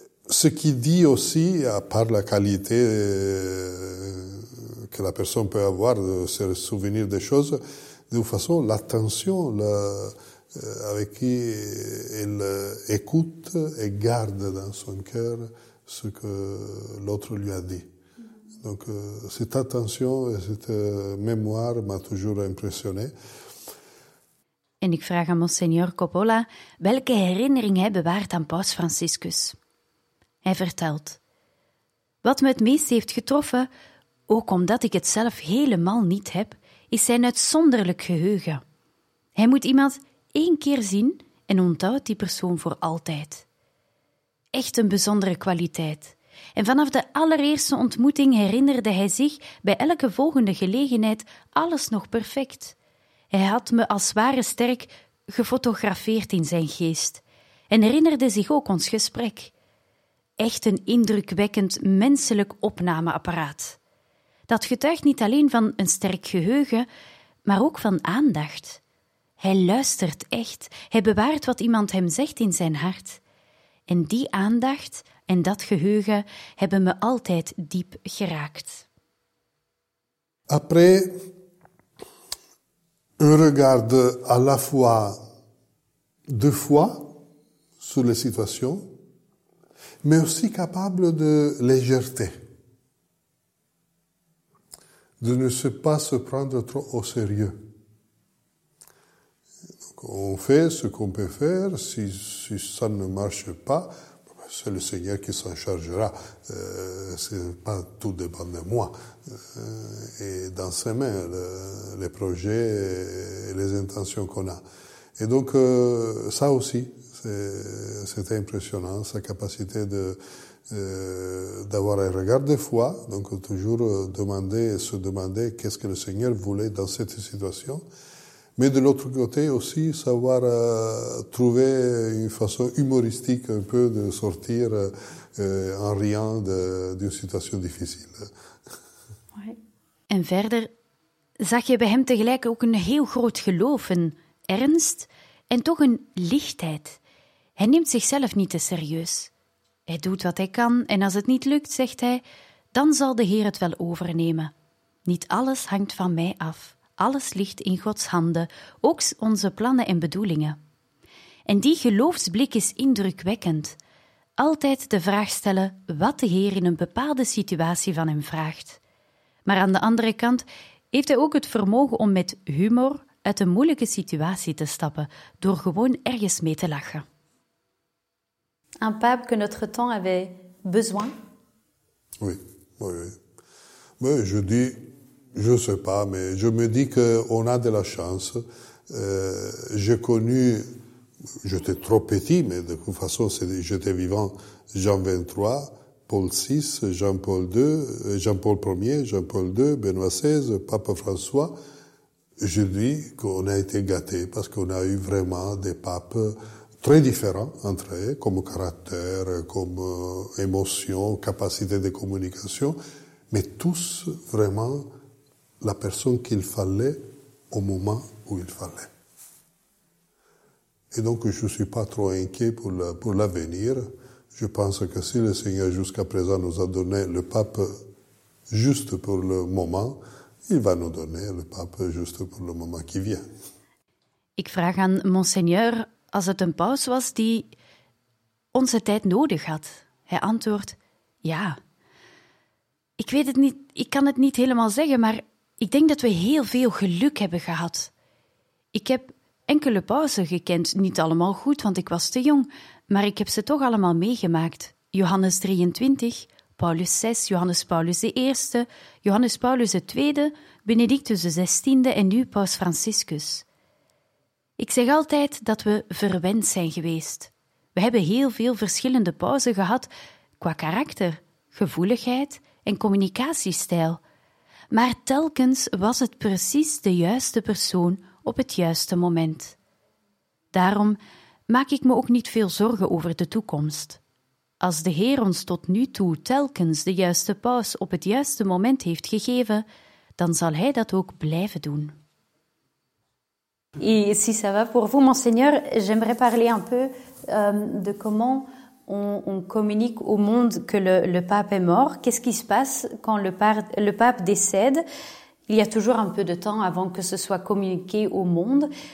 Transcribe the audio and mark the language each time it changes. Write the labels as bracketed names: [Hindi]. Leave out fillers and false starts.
[French] Ce qui dit aussi, à part la qualité que la personne peut avoir de se souvenir des choses, de toute façon, l'attention, avec qui elle écoute et garde dans son cœur ce que l'autre lui a dit. Donc cette attention et cette mémoire m'a toujours impressionné. [Dutch] En ik vraag aan Monseigneur Coppola welke herinnering hij bewaart aan paus Franciscus. Hij vertelt. Wat me het meest heeft getroffen, ook omdat ik het zelf helemaal niet heb, is zijn uitzonderlijk geheugen. Hij moet iemand één keer zien en onthoudt die persoon voor altijd. Echt een bijzondere kwaliteit. En vanaf de allereerste ontmoeting herinnerde hij zich bij elke volgende gelegenheid alles nog perfect. Hij had me als ware sterk gefotografeerd in zijn geest en herinnerde zich ook ons gesprek. Echt een indrukwekkend menselijk opnameapparaat. Dat getuigt niet alleen van een sterk geheugen, maar ook van aandacht. Hij luistert echt, hij bewaart wat iemand hem zegt in zijn hart. En die aandacht en dat geheugen hebben me altijd diep geraakt. [French] Après, un regard à la fois deux fois sur les situations, mais aussi capable de légèreté. De ne pas se prendre trop au sérieux. On fait ce qu'on peut faire, si ça ne marche pas, c'est le Seigneur qui s'en chargera, c'est pas tout dépend de moi. Et dans ses mains, les projets et les intentions qu'on a. Et donc ça aussi, c'était impressionnant, sa capacité d'avoir un regard de foi, donc toujours se demander qu'est-ce que le Seigneur voulait dans cette situation. Mais de l'autre côté aussi, savoir trouver une façon humoristique un peu de sortir en riant d'une situation difficile. Ouais. [Dutch] En verder, zag je bij hem tegelijk ook een heel groot geloof, een ernst en toch een lichtheid. Hij neemt zichzelf niet te serieus. Hij doet wat hij kan en als het niet lukt, zegt hij, dan zal de Heer het wel overnemen. Niet alles hangt van mij af. Alles ligt in Gods handen, ook onze plannen en bedoelingen. En die geloofsblik is indrukwekkend. Altijd de vraag stellen wat de Heer in een bepaalde situatie van hem vraagt. Maar aan de andere kant heeft hij ook het vermogen om met humor uit een moeilijke situatie te stappen, door gewoon ergens mee te lachen. [French] Un pape que notre temps avait besoin. Oui, oui, oui. Mais je dis, je ne sais pas, mais je me dis qu'on a de la chance. J'ai connu, j'étais trop petit, mais de toute façon, j'étais vivant, Jean XXIII, Paul VI, Jean-Paul II, Jean-Paul Ier, Jean-Paul II, Benoît XVI, Pape François. Je dis qu'on a été gâtés parce qu'on a eu vraiment des papes très différents entre eux, comme caractère, comme émotion, capacité de communication, mais tous vraiment la personne qu'il fallait au moment où il fallait. Et donc je ne suis pas trop inquiet pour l'avenir. Je pense que si le Seigneur jusqu'à présent nous a donné le pape juste pour le moment, il va nous donner le pape juste pour le moment qui vient. [Dutch] Ik vraag aan Monseigneur als het een paus was die onze tijd nodig had. Hij antwoordt, ja. Ik weet het niet, ik kan het niet helemaal zeggen, maar ik denk dat we heel veel geluk hebben gehad. Ik heb enkele pausen gekend, niet allemaal goed, want ik was te jong, maar ik heb ze toch allemaal meegemaakt. Johannes 23, Paulus 6, Johannes Paulus de Eerste, Johannes Paulus de Tweede, Benedictus de Zestiende en nu Paus Franciscus. Ik zeg altijd dat we verwend zijn geweest. We hebben heel veel verschillende pauzen gehad qua karakter, gevoeligheid en communicatiestijl. Maar telkens was het precies de juiste persoon op het juiste moment. Daarom maak ik me ook niet veel zorgen over de toekomst. Als de Heer ons tot nu toe telkens de juiste paus op het juiste moment heeft gegeven, dan zal Hij dat ook blijven doen. [French] Et si ça va pour vous, Monseigneur, j'aimerais parler un peu de comment on communique au monde que le pape est mort. Qu'est-ce qui se passe quand le pape décède? Il y a toujours un peu de temps avant que ce soit communiqué au monde.